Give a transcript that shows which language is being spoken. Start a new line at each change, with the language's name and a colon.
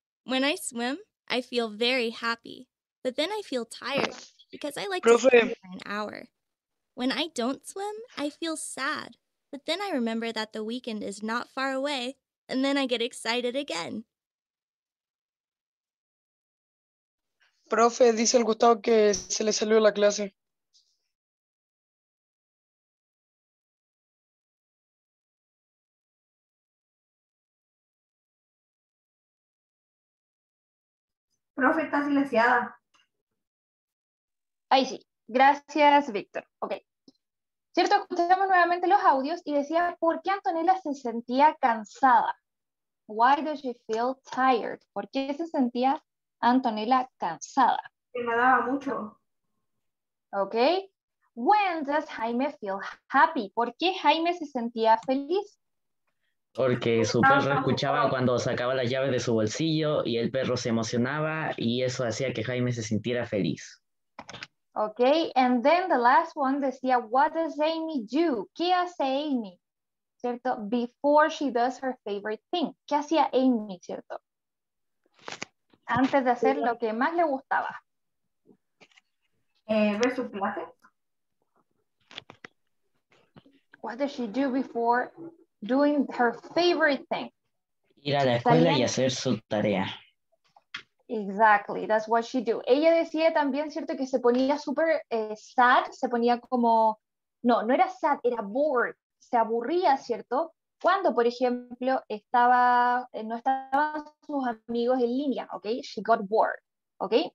English: When I swim, I feel very happy. But then I feel tired because I like to swim for an hour. When I don't swim, I feel sad. But then I remember that the weekend is not far away, and then I get excited again.
Spanish: Profe, dice el Gustavo que se le salió la clase. Profe, está silenciada. Ahí sí. Gracias, Víctor. Ok. Cierto, escuchamos nuevamente los audios y decía, ¿por qué Antonella se sentía cansada?
English: Why does she feel tired?
Spanish: ¿Por qué se sentía Antonella cansada? Que nadaba mucho.
English: Ok. When does Jaime feel happy?
Spanish: ¿Por qué Jaime se sentía feliz? Porque su perro escuchaba cuando sacaba las llaves de su bolsillo y el perro se emocionaba y eso hacía que Jaime se sintiera feliz.
English: Ok, and then the last one
Spanish: decía,
English: what does Amy do?
Spanish: ¿Qué hace Amy? ¿Cierto?
English: Before she does her favorite thing.
Spanish: ¿Qué hacía Amy, cierto? Antes de hacer lo que más le gustaba. Ver su clase.
English: What does she do before doing her favorite thing?
Spanish: Ir a la escuela y hacer su tarea.
English: Exactly, that's what she do.
Spanish: Ella decía también, cierto, que se ponía súper sad, se ponía como, no era sad, era bored, se aburría, cierto, cuando, por ejemplo, no estaban sus amigos en línea, ok,
English: she got bored, ok.